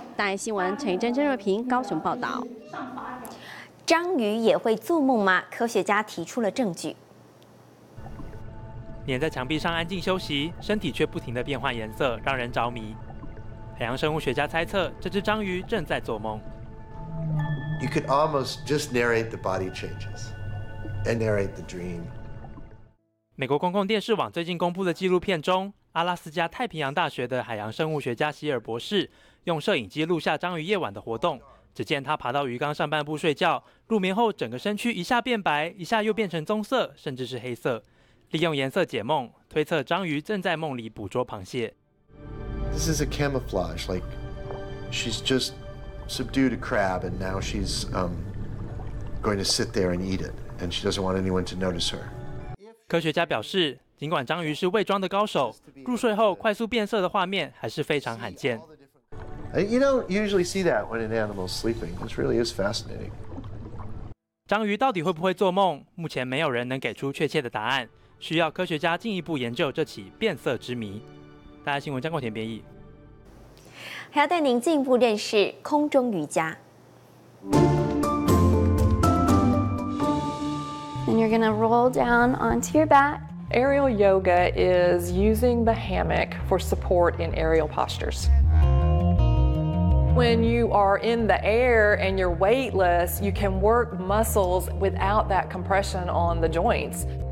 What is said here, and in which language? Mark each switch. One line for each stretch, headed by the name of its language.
Chinese: 大爱新闻陈怡珍、郑若平高雄报道。章鱼也会做梦吗？科学家提出了证据。黏在墙壁上安静休息，身体却不停地变换颜色，让人着迷。海洋生物学家猜测，这只章鱼正在做梦。
English: You could almost just narrate the body changes and narrate the dream.
Chinese: 美国公共电视网最近公布的纪录片中，阿拉斯加太平洋大学的海洋生物学家希尔博士用摄影机录下章鱼夜晚的活动。只见他爬到鱼缸上半部睡觉，入眠后整个身躯一下变白，一下又变成棕色，甚至是黑色。利用颜色解梦，推测章鱼正在梦里捕捉螃蟹。
English: This is a camouflage, like she's just. Subdued a crab, and now she's going to sit there and eat it, and she doesn't want anyone to notice her.
Chinese: 科学家表示，尽管章鱼是伪装的高手，入睡后快速变色的画面还是非常罕见。
English: You don't usually see that when an animal is sleeping. This really is fascinating.
Chinese: 章鱼到底会不会做梦？目前没有人能给出确切的答案，需要科学家进一步研究这起变色之谜。大家新闻张广田编译。还要带您进一步认识空中瑜伽。
English: And you're gonna roll down onto your back. Aerial yoga is using the hammock for support in aerial postures. When you are in the air and you're weightless, you can work muscles without that compression on the joints.